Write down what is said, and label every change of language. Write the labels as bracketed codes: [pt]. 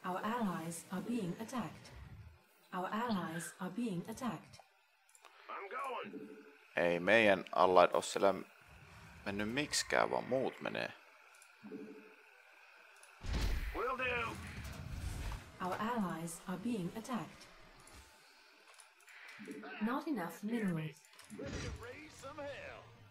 [en] Our allies are being attacked. Our allies are being attacked. I'm going. [fi] Ei meidän allied ole siellä mennyt miksikään, vaan muut menee. [en] Will do. Our allies are being attacked. Not enough minerals. Ready to raise some hell.